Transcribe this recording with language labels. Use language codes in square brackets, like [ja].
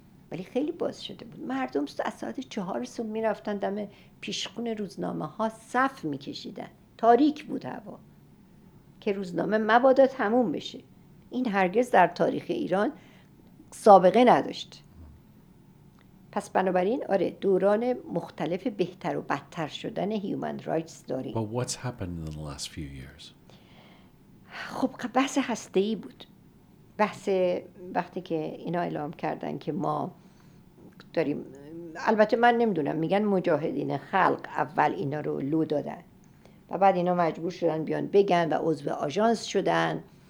[fa] ولی خیلی باز شده بود مردم از ساعت 4 صبح می رفتن دم پیشخون روزنامه ها صف می کشیدن تاریک بود هوا که روزنامه مبادا تموم بشه این هرگز در تاریخ ایران سابقه نداشت پس بنابراین آره دوران مختلف بهتر و بدتر شدن [en] human rights [fa] داریم [en] But what's happened in the last few years? [fa] خب بحث هسته‌ای بود بحث وقتی که اینا اعلام کردن که ما داریم البته من نمیدونم میگن مجاهدین خلق اول اینا رو لو دادن و بعد اینا مجبور شدن بیان بگن و عضو آژانس شدن